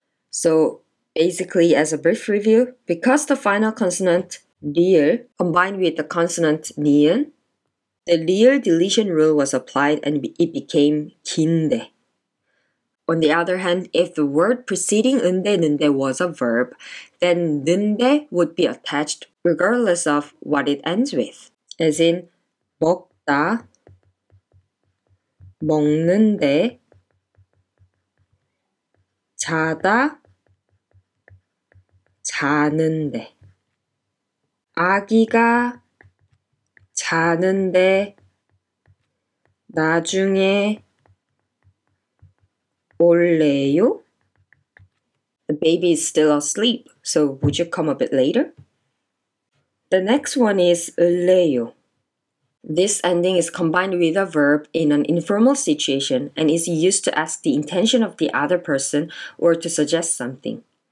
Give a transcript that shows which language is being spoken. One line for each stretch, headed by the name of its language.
English: So basically, as a brief review, because the final consonant 리을 combined with the consonant 니은, the 리을 deletion rule was applied and it became 긴데. On the other hand, if the word preceding 은데, 는데 was a verb, then 는데 would be attached regardless of what it ends with, as in
Korean: 먹다, 먹는데, 자다, 자는데. 아기가 자는데 나중에 올래요?
English: The baby is still asleep, so would you come a bit later? The next one is 올래요. This ending is combined with a verb in an informal situation and is used to ask the intention of the other person or to suggest something.